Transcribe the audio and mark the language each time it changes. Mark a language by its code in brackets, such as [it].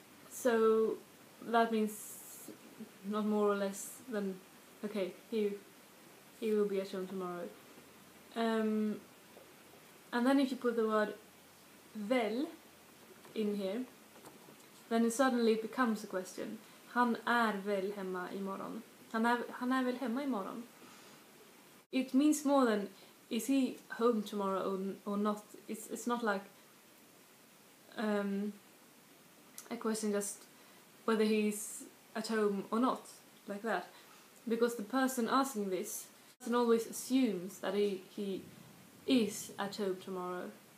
[en] So, that means not more or less than, okay, he will be at home tomorrow. And then if you put the word väl in here, then it suddenly becomes a question. [sv] Han är väl hemma imorgon. Han är väl hemma imorgon. [en] It means more than is he home tomorrow or not. It's not like a question just whether he's at home or not, like that. Because the person asking this person always assumes that he is at home tomorrow.